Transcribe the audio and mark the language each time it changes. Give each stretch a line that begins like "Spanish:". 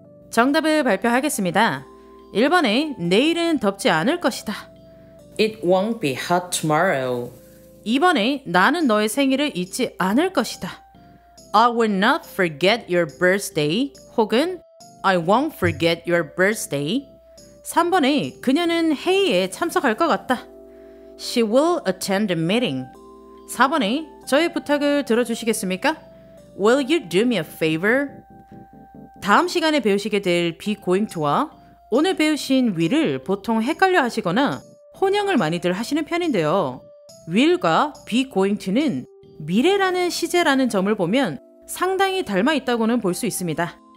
Korean: 정답을 발표하겠습니다. 1번에 내일은 덥지 않을 것이다.
English: It won't be hot tomorrow.
Korean: 2번에 나는 너의 생일을 잊지 않을 것이다.
English: I will not forget your birthday.
Korean: 혹은
English: I won't forget your birthday.
Korean: 3번에 그녀는 회의에 참석할 것 같다.
English: She will attend a meeting.
Korean: 4번에 저의 부탁을 들어주시겠습니까?
English: Will you do me a favor?
Korean: 다음 시간에 배우시게 될 be going to와 오늘 배우신 will을 보통 헷갈려 하시거나 혼용을 많이들 하시는 편인데요. will과 be going to는 미래라는 시제라는 점을 보면 상당히 닮아 있다고는 볼 수 있습니다.